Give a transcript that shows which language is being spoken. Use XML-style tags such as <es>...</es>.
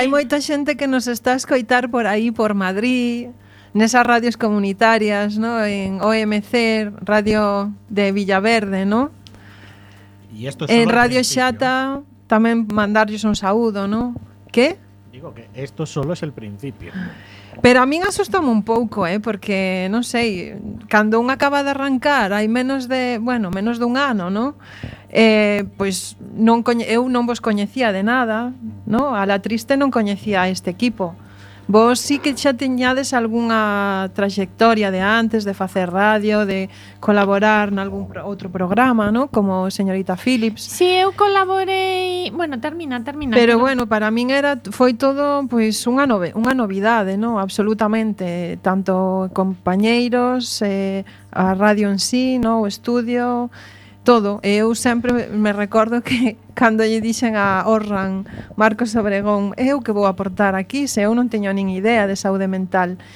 <gl>Hai moita xente que nos está a escoitar por aí, por Madrid, nesas radios comunitarias, ¿no? En OMC, Radio de Villaverde, ¿no?</gl> <es>Y esto</es> <gl>en Radio Xata, tamén mandarles un saúdo, ¿no?</gl> <es>¿Qué? Digo que esto solo es el principio. Pero a mí me asusta</es> <gl>un pouco, porque, non sei, cando un acaba de arrancar, hai menos de, bueno, menos dun ano, ¿no? Pois non eu non vos coñecía de nada, ¿no? A La Triste non coñecía este equipo. Vos sí que xa tiñades algunha trayectoria de antes, de facer radio, de colaborar nalgún outro programa, ¿no? Como señorita Phillips. Sí, eu colaborei... Bueno, termina. Pero bueno, para min era foi todo pues, unha novidade, ¿no? Absolutamente. Tanto compañeiros, a radio en sí, ¿no? O estudio, todo. Eu sempre me recordo que cando lle dixen a Orran, Marcos Obregón, eu que vou aportar aquí, se eu non teño nin idea de saúde mental.</gl>